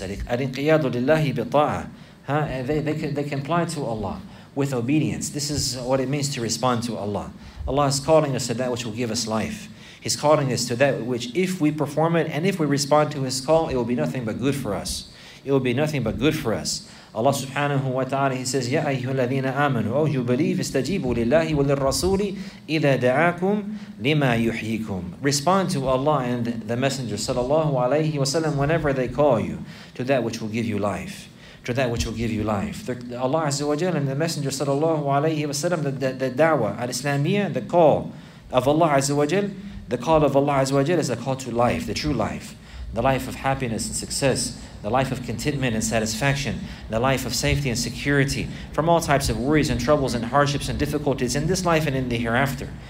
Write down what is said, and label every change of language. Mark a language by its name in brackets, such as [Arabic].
[Arabic] الْإِنْقِيَادُ لِلَّهِ بِطَاعَةٍ. [English] They comply to Allah with obedience. This is what it means to respond to Allah. Allah is calling us to that which will give us life. He's calling us to that which, if we perform it and if we respond to His call, it will be nothing but good for us. It will be nothing but good for us. Allah subhanahu wa ta'ala, He says, [Arabic] يَا أَيُّهُ الَّذِينَ آمَنُوا أَوْ يُبَلِيفِ اسْتَجِيبُوا لِلَّهِ وَلِلرَّسُولِ إِذَا دَعَاكُمْ لِمَا يُحْيِيكُمْ. [English] Respond to Allah and the Messenger sallallahu alayhi wa sallam whenever they call you to that which will give you life. to that which will give you life. Allah Azza wa Jalla and the Messenger sallallahu alayhi wa sallam, the da'wah al-Islamiyah, the call of Allah Azza wa Jalla, the call of Allah Azza wa Jalla is the call to life, the true life, the life of happiness and success, the life of contentment and satisfaction, the life of safety and security from all types of worries and troubles and hardships and difficulties in this life and in the hereafter.